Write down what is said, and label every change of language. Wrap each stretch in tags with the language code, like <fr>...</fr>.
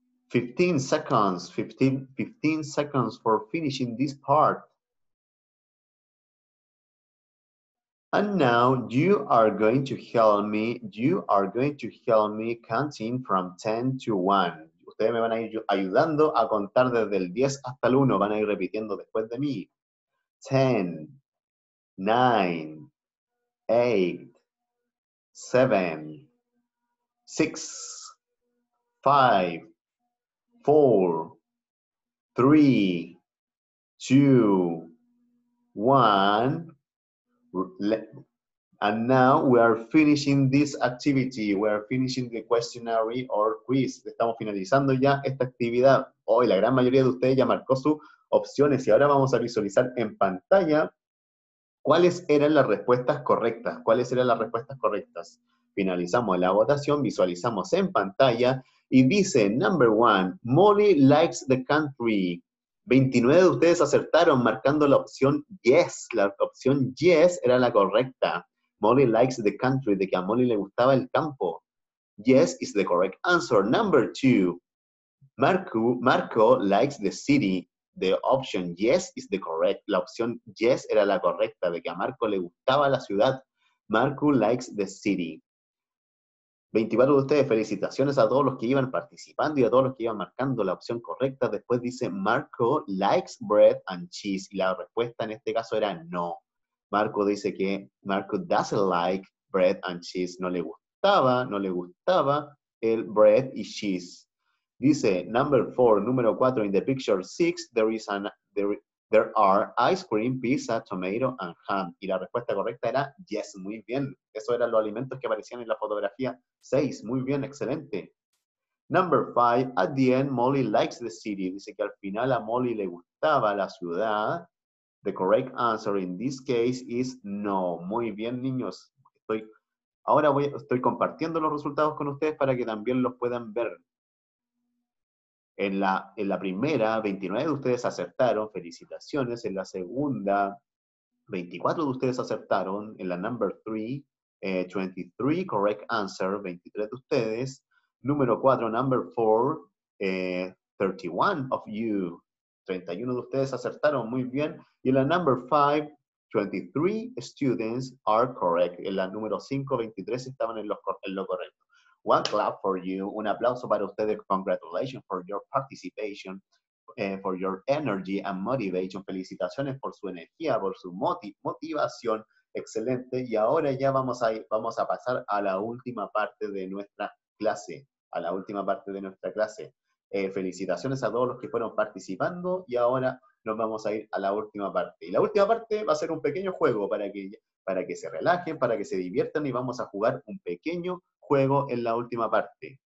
<en>15 seconds, 15 seconds for finishing this part. And now you are going to help me. You are going to help me counting from 10 to 1.</en> <es>Ustedes me van a ir ayudando a contar desde el 10 hasta el 1. Van a ir repitiendo después de mí.</es> <en>10, 9, 8, 7, 6, 5, 4, 3, 2, 1. And now we are finishing this activity. We are finishing the questionnaire or quiz.</en> <es>Estamos finalizando ya esta actividad. Hoy la gran mayoría de ustedes ya marcó sus opciones. Y ahora vamos a visualizar en pantalla cuáles eran las respuestas correctas. ¿Cuáles eran las respuestas correctas? Finalizamos la votación, visualizamos en pantalla. Y dice,</es> <en>number one, Molly likes the country.</en> <es>29 de ustedes acertaron marcando la opción yes. La opción yes era la correcta.</es> <en>Molly likes the country,</en> <es>de que a Molly le gustaba el campo.</es> <en>Yes is the correct answer. Number two, Marco likes the city. The option yes is the correct.</en> <es>La opción yes era la correcta, de que a Marco le gustaba la ciudad.</es> <en>Marco likes the city.</en> <es>24 de ustedes, felicitaciones a todos los que iban participando y a todos los que iban marcando la opción correcta. Después dice,</es> <en>Marco likes bread and cheese.</en> <es>Y la respuesta en este caso era no.</es> <en>Marco</en> <es>dice que</es> <en>Marco doesn't like bread and cheese.</en> <es>No le gustaba el bread y cheese.</es> <en>Dice, number four,</en> <es>número cuatro,</es> <en>in the picture six, there are ice cream, pizza, tomato, and ham.</en> <es>Y la respuesta correcta era yes. Muy bien. Esos eran los alimentos que aparecían en la fotografía seis. Muy bien, excelente.</es> <en>Number five, at the end, Molly likes the city.</en> <es>Dice que al final a Molly le gustaba la ciudad.</es> <en>The correct answer in this case is no.</en> <es>Muy bien, niños. Estoy compartiendo los resultados con ustedes para que también los puedan ver. En la primera, 29 de ustedes acertaron. Felicitaciones. En la segunda, 24 de ustedes acertaron. En la</es> <en>number 3, 23, correct answer.</en> <es>23 de ustedes. Número 4,</es> <en>number 4, 31 of you.</en> <es>31 de ustedes acertaron, muy bien. Y en la number 5, 23</es> <en>students are correct.</en> <es>En la número 5, 23 estaban en lo correcto.</es> <en>One clap for you.</en> <es>Un aplauso para ustedes.</es> <en>Congratulations for your participation, for your energy and motivation.</en> <es>Felicitaciones por su energía, por su motivación. Excelente. Y ahora ya vamos a pasar a la última parte de nuestra clase, a la última parte de nuestra clase. Felicitaciones a todos los que fueron participando y ahora nos vamos a ir a la última parte. Y la última parte va a ser un pequeño juego para que se relajen, para que se diviertan y vamos a jugar un pequeño juego en la última parte.</es>